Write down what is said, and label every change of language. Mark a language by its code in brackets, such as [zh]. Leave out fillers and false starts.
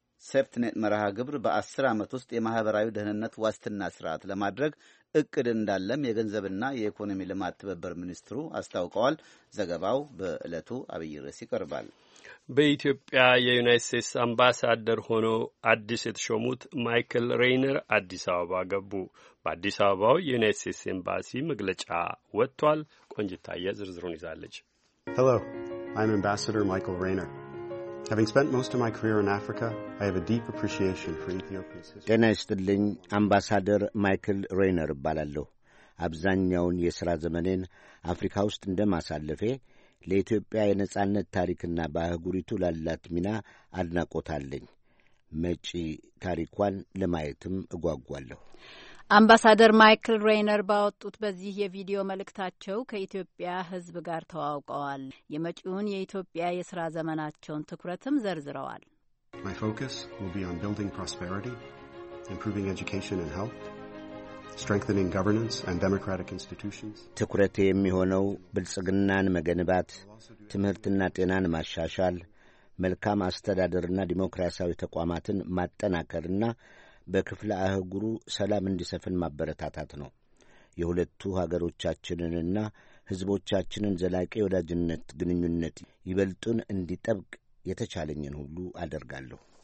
[am] ሴፍትኔት መርሃ ግብር በአስር ዓመት ውስጥ የማኅበራዊ ደህንነት ዋስትና ስርዓት ለማድረግ እቅድ እንዳለም የገንዘብና የኢኮኖሚ ልማት ትብብር ሚኒስትሩ አስታውቀዋል። ዘገባው በዕለቱ አብይ ርዕስ ይቀርባል። በኢትዮጵያ የዩናይትድ ስቴትስ አምባሳደር ሆነው አዲስ የተሾሙት ማይክል ሬይነር አዲስ አበባ ገቡ። በአዲስ አበባው የዩናይትድ ስቴትስ ኤምባሲ መግለጫ ወጥቷል። ቆንጅታየ ዝርዝሩን ይዛለች። [en] Hello, I'm Ambassador Michael Rayner. Having spent most of my career in Africa, I have a deep appreciation for Ethiopia's history. [am] ጤና ይስጥልኝ። አምባሳደር ማይክል ሬይነር እባላለሁ። አብዛኛውን የሥራ ዘመኔን አፍሪካ ውስጥ እንደማሳለፌ ለኢትዮጵያ የነጻነት ታሪክና በአህጉሪቱ ላላት ሚና አድናቆት አለኝ። መጪ ታሪኳን ለማየትም እጓጓለሁ። አምባሳደር ማይክል ሬይነር ባወጡት በዚህ የቪዲዮ መልእክታቸው ከኢትዮጵያ ሕዝብ ጋር ተዋውቀዋል። የመጪውን የኢትዮጵያ የሥራ ዘመናቸውን ትኩረትም ዘርዝረዋል። [en] My focus will be on building prosperity, improving education and health, strengthening governance and democratic institutions. [am] ትኩረት የሚሆነው ብልጽግናን መገንባት፣ ትምህርትና ጤናን ማሻሻል፣ መልካም አስተዳደርና ዲሞክራሲያዊ ተቋማትን ማጠናከርና በክፍለ አህጉሩ ሰላም እንዲሰፍን ማበረታታት ነው። የሁለቱ ሀገሮቻችንንና ህዝቦቻችንን ዘላቂ ወዳጅነት ግንኙነት ይበልጡን እንዲጠብቅ የተቻለኝን ሁሉ አደርጋለሁ።